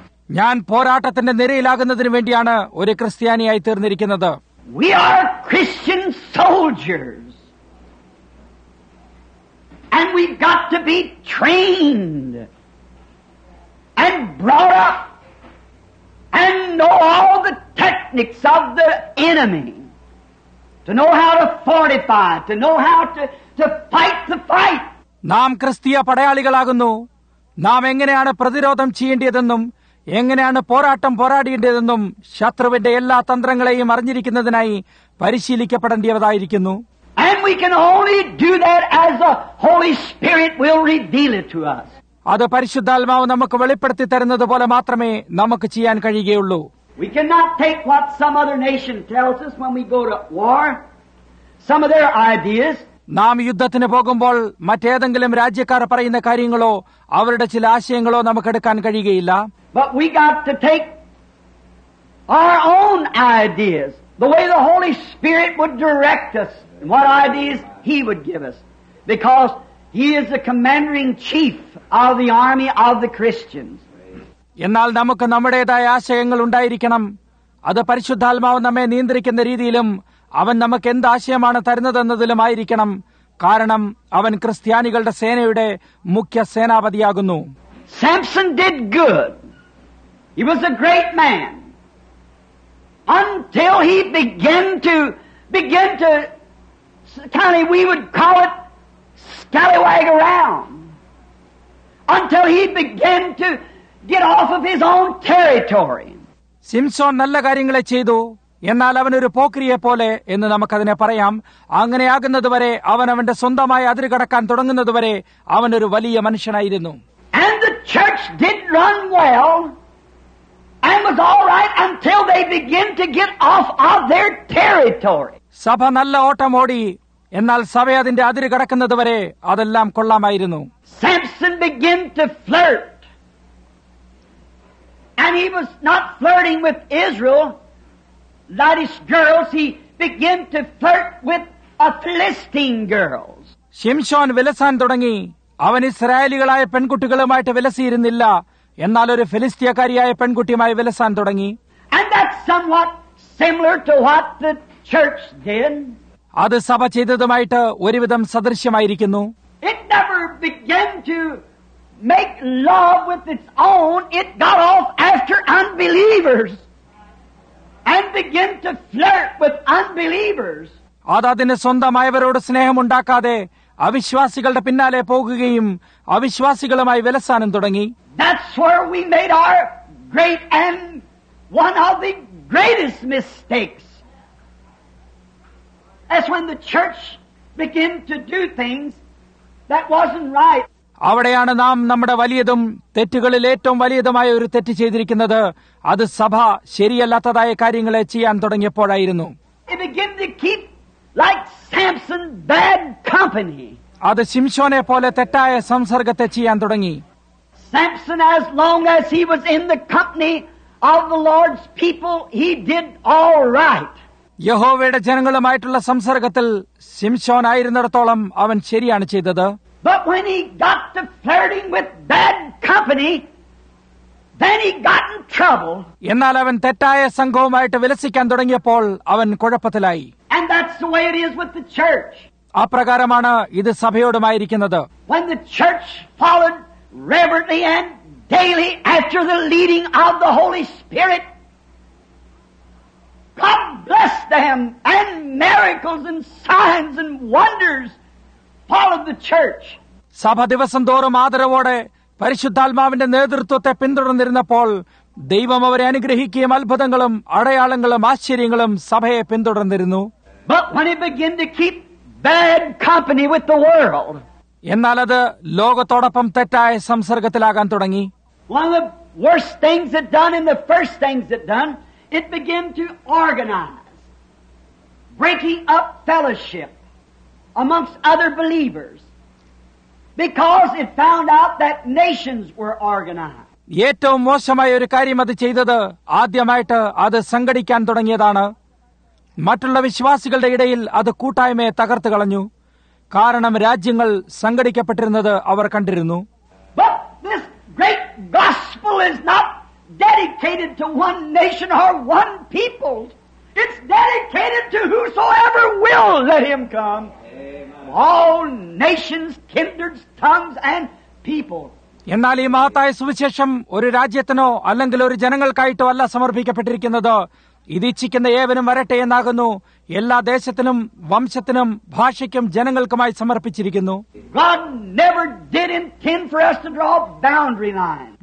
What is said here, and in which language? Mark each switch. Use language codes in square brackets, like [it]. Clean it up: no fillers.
[ml] ഞാൻ പോരാട്ടത്തിന്റെ നിരയിലാകുന്നതിന് വേണ്ടിയാണ് ഒരു ക്രിസ്ത്യാനിയായി തീർന്നിരിക്കുന്നത്. [en] We are Christian soldiers, and we've got to be trained and brought up and know all the techniques of the enemy, to know how to fortify, to know how to fight the fight. [ml] നാം ക്രിസ്തീയ പടയാളികളാകുന്നു. നാം എങ്ങനെയാണ് പ്രതിരോധം ചെയ്യേണ്ടതെന്നും എങ്ങനെയാണ് പോരാട്ടം പോരാടേണ്ടതെന്നും ശത്രുവിന്റെ എല്ലാ തന്ത്രങ്ങളെയും അറിഞ്ഞിരിക്കുന്നതിനായി പരിശീലിക്കപ്പെടേണ്ടിയതായിരിക്കുന്നു. [en] And we can only do that as the Holy Spirit will reveal it to us. [ml] അത് പരിശുദ്ധാത്മാവ് നമുക്ക് വെളിപ്പെടുത്തി തരുന്നത് പോലെ മാത്രമേ നമുക്ക് ചെയ്യാൻ കഴിയുകയുള്ളൂ. [en] We cannot take what some other nation tells us when we go to war, some of their ideas. [ml] നാം യുദ്ധത്തിന് പോകുമ്പോൾ മറ്റേതെങ്കിലും രാജ്യക്കാർ പറയുന്ന കാര്യങ്ങളോ അവരുടെ ചില ആശയങ്ങളോ നമുക്ക് എടുക്കാൻ കഴിയുകയില്ല. [en] But we got to take our own ideas, the way the Holy Spirit would direct us, and what ideas he would give us, because he is the commander in chief of the army of the Christians. [ml] എന്നാൽ നമുക്ക് നമ്മുടേതായ ആശയങ്ങൾ ഉണ്ടായിരിക്കണം. അത് പരിശുദ്ധാത്മാവ് നമ്മെ നിയന്ത്രിക്കുന്ന രീതിയിലും അവൻ നമുക്ക് എന്താശയമാണ് തരുന്നതെന്നതിലും ആയിരിക്കണം. കാരണം അവൻ ക്രിസ്ത്യാനികളുടെ സേനയുടെ മുഖ്യ സേനാപതിയാകുന്നു. [en] Samson did good. He was a great man until he began to കാണി we would call it scallywag around until he began to get off of his own territory. [ml] സിംസോൺ നല്ല കാര്യങ്ങളെ ചെയ്തു, എന്നാൽ അവനൊരു പോക്രിയെ പോലെ എന്ന് നമുക്കതിനെ പറയാം. അങ്ങനെയാകുന്നതുവരെ അവൻ അവന്റെ സ്വന്തമായി അതിര് കടക്കാൻ തുടങ്ങുന്നതുവരെ അവനൊരു വലിയ മനുഷ്യനായിരുന്നു. [en] And the church didn't run well and was all right until they began to get off of their territory. [ml] സഭ നല്ല ഓട്ടം ഓടി, എന്നാൽ സഭ അതിന്റെ അതിര് കടക്കുന്നതുവരെ അതെല്ലാം കൊള്ളാമായിരുന്നു. [en] Samson began to flirt. And he was not flirting with Israel, that is girls, he began to flirt with a Philistine girls. [ml] ശിംശോൻ വിലസാൻ തുടങ്ങി. അവൻ ഇസ്രായേലികളായ പെൺകുട്ടികളുമായിട്ട് വിലസിയിരുന്നില്ല, എന്നാൽ ഒരു ഫിലിസ്തീയക്കാരിയായ പെൺകുട്ടിയുമായി വിലസാൻ തുടങ്ങി. [en] And that's somewhat similar to what the church did. [ml] അത് സഭ ചെയ്തതുമായിട്ട് ഒരുവിധം സദൃശ്യമായിരിക്കുന്നു. [en] It never began to make love with its own. It got off after unbelievers and began to flirt with unbelievers. [ml] അതതിനെ സ്വന്തമായവരോട് സ്നേഹമുണ്ടാക്കാതെ അവിശ്വാസികളുടെ പിന്നാലെ പോകുകയും അവിശ്വാസികളുമായി വിലസാനം തുടങ്ങി. [en] That's where we made our great and one of the greatest mistakes. That's when the church began to do things that wasn't right. [ml] അവിടെയാണ് നാം നമ്മുടെ വലിയതും തെറ്റുകളിൽ ഏറ്റവും വലിയതുമായ ഒരു തെറ്റ് ചെയ്തിരിക്കുന്നത്. അത് സഭ ശരിയല്ലാത്തതായ കാര്യങ്ങളെ ചെയ്യാൻ തുടങ്ങിയപ്പോഴായിരുന്നു. [en] It began to keep like Samson bad company. [ml] അത് ശിംശോനെ പോലെ തെറ്റായ സംസർഗത്തെ ചെയ്യാൻ തുടങ്ങി. [en] Samson, as long as he was in the company of the Lord's people, he did all right. [ml] യഹോവയുടെ ജനങ്ങളുമായിട്ടുള്ള സംസർഗത്തിൽ ശിംശോൻ ആയിരുന്നിടത്തോളം അവൻ ശരിയാണ് ചെയ്തത്. [en] But when he got to flirting with bad company, then he got in trouble. [ml] എന്നാൽ അവൻ തെറ്റായ സംഘവുമായിട്ട് വിലസിക്കാൻ തുടങ്ങിയപ്പോൾ അവൻ കുഴപ്പത്തിലായി. [en] And that's the way it is with the church. [ml] അപ്രകാരമാണ് ഇത് സഭയോടുമായിരിക്കുന്നത്. [en] When the church followed reverently and daily after the leading of the Holy Spirit, God blessed them, and miracles and signs and wonders followed the church. [ml] സഭ ദിവസം തോറും ആദരവോടെ പരിശുദ്ധാത്മാവിന്റെ നേതൃത്വത്തെ പിന്തുടർന്നിരുന്നപ്പോൾ ദൈവം അവരെ അനുഗ്രഹിക്കുകയും അത്ഭുതങ്ങളും അടയാളങ്ങളും ആശ്ചര്യങ്ങളും സഭയെ പിന്തുടർന്നിരുന്നു. [en] But when it began to keep bad company with the world. [ml] എന്നാൽ അത് ലോകത്തോടൊപ്പം തെറ്റായ സംസർഗത്തിലാകാൻ തുടങ്ങി. [en] One of the worst things it done and the first things it done, it began to organize, breaking up fellowship amongst other believers. Because it found out that nations were organized. [ml] ഏറ്റവും മോശമായ ഒരു കാര്യം അത് ചെയ്തത് ആദ്യമായിട്ട് അത് സംഘടിക്കാൻ തുടങ്ങിയതാണ്. മറ്റുള്ള വിശ്വാസികളുടെ ഇടയിൽ അത് കൂട്ടായ്മയെ തകർത്തു കളഞ്ഞു. കാരണം രാജ്യങ്ങൾ സംഘടിക്കപ്പെട്ടിരുന്നത് അവർ കണ്ടിരുന്നു. [en] But this great gospel is not dedicated to one nation or one people. It's dedicated to whosoever will let him come. All nations, kindreds, tongues, and people. [ml] എന്നാൽ ഈ മഹത്തായ സുവിശേഷം ഒരു രാജ്യത്തിനോ അല്ലെങ്കിൽ ഒരു ജനങ്ങൾക്കായിട്ടോ അല്ല സമർപ്പിക്കപ്പെട്ടിരിക്കുന്നത്. ഇതിച്ഛിക്കുന്ന ഏവനും വരട്ടെ എന്നാകുന്നു എല്ലാ ദേശത്തിനും വംശത്തിനും ഭാഷയ്ക്കും ജനങ്ങൾക്കുമായി സമർപ്പിച്ചിരിക്കുന്നു. [en] God never did intend for us to draw boundary lines.